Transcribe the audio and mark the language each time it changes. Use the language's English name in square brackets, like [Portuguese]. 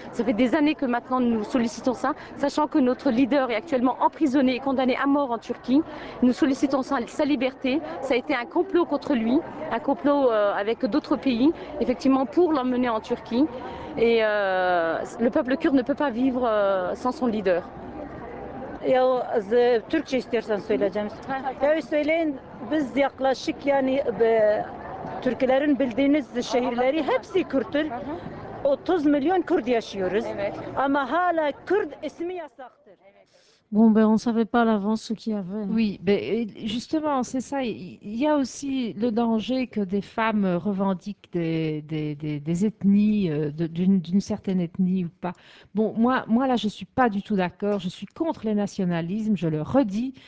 [French] Ça fait des années que maintenant nous sollicitons ça, sachant que notre leader est actuellement emprisonné et condamné à mort en Turquie. Nous sollicitons sa liberté. Ça a été un complot contre lui, un complot avec d'autres pays, effectivement, pour l'emmener en Turquie. Et le peuple kurde ne peut pas vivre sans son leader. [Turkish] Ya az Türkçe istersen söyleyeceğim. Ya söyleyin biz yaklaşık yani Türklerin bildiğiniz şehirleri hepsi Kürttür. 30 milyon Kürt yaşıyoruz. Evet. Ama hala Kürt ismi yasaktır. [French] Bon, ben on ne savait pas à l'avance ce qu'il y avait. Oui, mais justement, c'est ça. Il y a aussi le danger que des femmes revendiquent des ethnies, d'une certaine ethnie ou pas. Bon, moi là, je ne suis pas du tout d'accord. Je suis contre les nationalismes, je le redis.